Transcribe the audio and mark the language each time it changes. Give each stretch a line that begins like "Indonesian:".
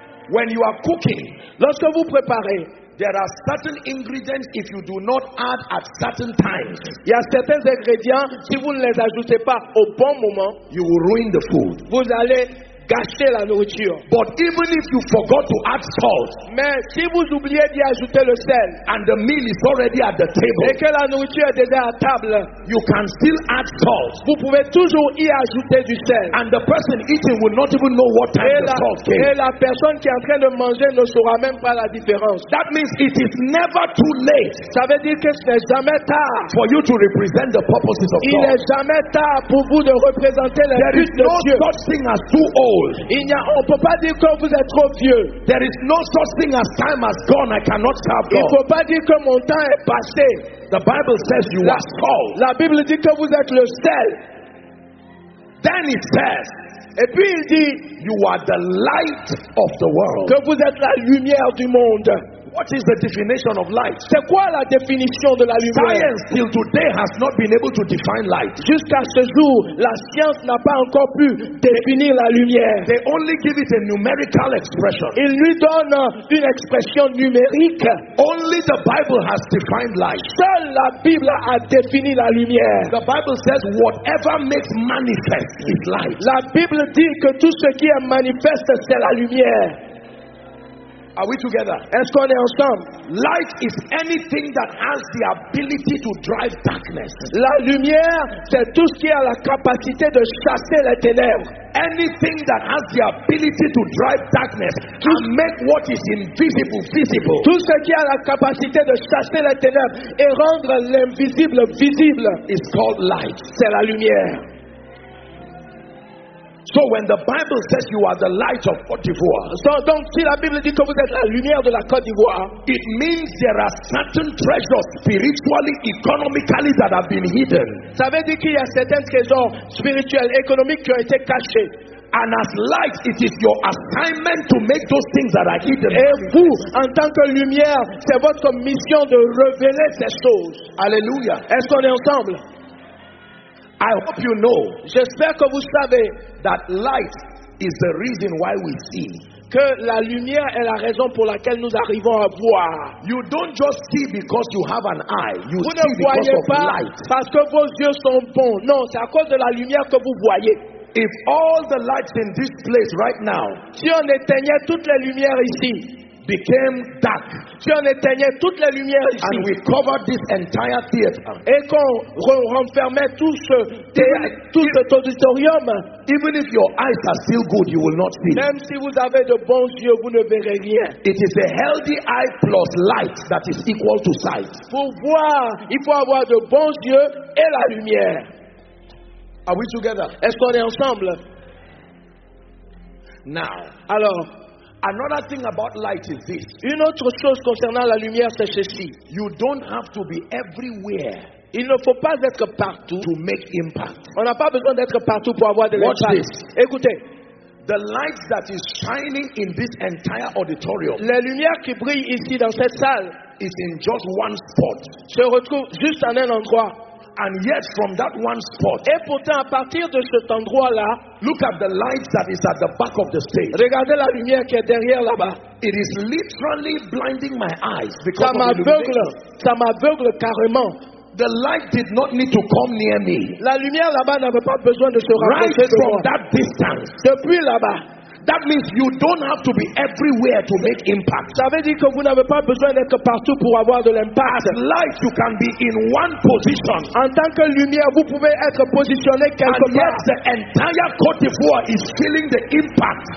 English: When you are cooking,
French: lorsque vous préparez,
English: there are certain ingredients if you do not add at certain times.
French: Il y a certains ingrédients si vous ne les ajoutez pas au bon moment,
English: you will ruin the food.
French: Vous allez gâcher la nourriture.
English: But even if you forgot to add salt,
French: mais si vous oubliez d'y ajouter le sel,
English: and the meal is already at the table,
French: et que la nourriture est déjà à table,
English: you can still add salt.
French: Vous pouvez toujours y ajouter du sel.
English: And the person eating will not even know what time the salt came.
French: Et la personne qui est en train de manger ne saura même pas la différence.
English: That means it is never too late.
French: Ça veut dire que ce n'est jamais tard
English: for you to represent the purposes of God.
French: Il n'est jamais tard pour vous de représenter les buts de Dieu.
English: There is no such thing as too old.
French: On ne peut pas dire que vous êtes trop vieux.
English: There is no such thing as time has gone. I cannot serve God.
French: Il ne faut pas dire que mon temps est passé.
English: The Bible says you are salt.
French: La Bible dit que vous êtes le sel.
English: Then it says,
French: et puis il dit,
English: you are the light of the world.
French: Que vous êtes la lumière du monde.
English: What is the definition of light?
French: C'est quoi la définition de la lumière?
English: Science till today has not been able to define light.
French: Jusqu'à ce jour, la science n'a pas encore pu définir la lumière.
English: They only give it a numerical expression.
French: Il lui donne une expression numérique.
English: Only the Bible has defined light.
French: Seule la Bible a défini la lumière.
English: The Bible says whatever makes manifest is light.
French: La Bible dit que tout ce qui est manifeste c'est la lumière.
English: Are we together?
French: Est-ce qu'on est ensemble?
English: Light is anything that has the ability to drive darkness.
French: La lumière, c'est tout ce qui a la capacité de chasser les ténèbres.
English: Anything that has the ability to drive darkness to make what is invisible visible.
French: Tout ce qui a la capacité de chasser les ténèbres et rendre l'invisible visible
English: is called light.
French: C'est la lumière.
English: So when the Bible says you are the light of Côte d'Ivoire,
French: so, donc si la Bible dit que vous êtes la lumière de la Côte d'Ivoire,
English: it means there are certain treasures spiritually, economically that have been hidden.
French: Ça veut dire qu'il y a certains trésors spirituels, économiques qui ont été cachés.
English: And as light, it is your assignment to make those things that are hidden.
French: Et vous, en tant que lumière, c'est votre mission de révéler ces choses. Alléluia. Est-ce qu'on est ensemble?
English: I hope you know.
French: J'espère que vous savez
English: that light is the reason why we see.
French: que la lumière est la raison pour laquelle nous arrivons à voir.
English: You don't just see because you have an eye. You
French: vous ne voyez pas parce que vos yeux sont bons. Non, c'est à cause de la lumière que vous voyez.
English: If all the lights in this place right now,
French: si on éteignait toutes les lumières ici,
English: became dark,
French: si on éteignait toutes les lumières ici,
English: and we covered this entire theater,
French: et qu'on renfermait tout cet auditorium,
English: even if your eyes are still good, you will not see.
French: Même si vous avez de bons yeux, vous ne verrez rien.
English: It is a healthy eye plus light that is equal to sight.
French: Pour voir, il faut avoir de bons yeux et la lumière.
English: Are we together?
French: Est-ce qu'on est ensemble?
English: Now,
French: alors,
English: another thing about light is this.
French: Une autre chose concernant la lumière, c'est ceci.
English: You don't have to be everywhere.
French: Il ne faut pas être partout.
English: To make impact.
French: On n'a pas besoin d'être partout pour avoir de l'impact.
English: Watch this.
French: Écoutez.
English: The light that is shining in this entire auditorium.
French: La lumière qui brille ici dans cette salle.
English: Is in just one spot.
French: Se retrouve juste en un endroit.
English: And yet, from that one spot.
French: Et pourtant, à partir de cet endroit-là,
English: look at the light that is at the back of the stage.
French: Regardez la lumière qui est derrière là-bas.
English: It is literally blinding my eyes because
French: ça m'aveugle. Ça m'aveugle carrément.
English: The light did not need to come near me.
French: La lumière là-bas n'avait pas besoin de se rapprocher
English: right from that distance.
French: Depuis là-bas.
English: That means you don't have to be everywhere to make impact.
French: Ça veut dire que vous n'avez pas besoin d'être partout pour avoir de l'impact.
English: As light, you can be in one position.
French: En tant que lumière, vous pouvez être positionné quelque
English: part. And yet, the entire Côte d'Ivoire is feeling the impact.